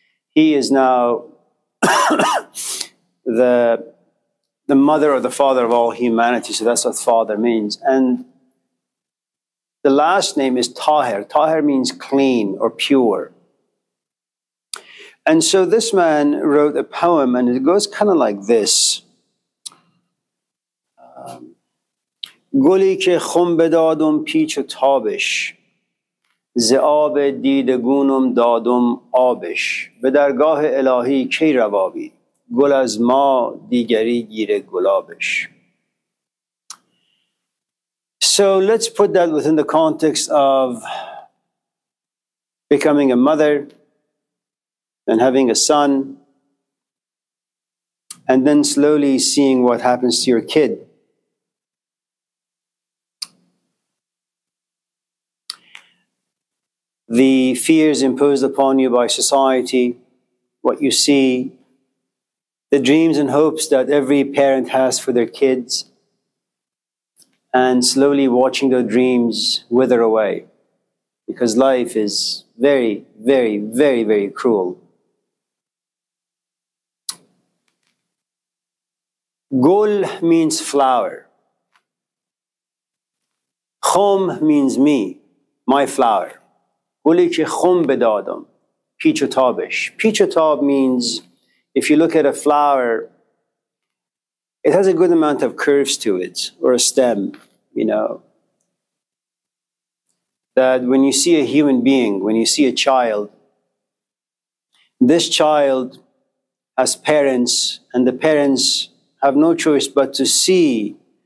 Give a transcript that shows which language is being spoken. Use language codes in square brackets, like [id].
[en] He is now the mother or the father of all humanity. So that's what father means. And the last name is Taher. Taher means clean or pure. And so this man wrote a poem, and it goes kind of like this. [fa] گلی که خم بدادم پیچ و تابش ز آب دیدگونم دادم آبش به درگاه الهی کی روابی گل از ما دیگری گیره گلابش. [en] So let's put that within the context of becoming a mother and having a son and then slowly seeing what happens to your kid. The fears imposed upon you by society, what you see, the dreams and hopes that every parent has for their kids, and slowly watching those dreams wither away, because life is very, very, very, very cruel. Gul means flower. Khum means me, my flower. [fa] گلی که خم بدادم پیچ و تابش. [en] Peach and tab means, if you look at a flower, it has a good amount of curves to it, or a stem, you know. That when you see a human being, when you see a child, this child has parents, and the parents have no choice but to see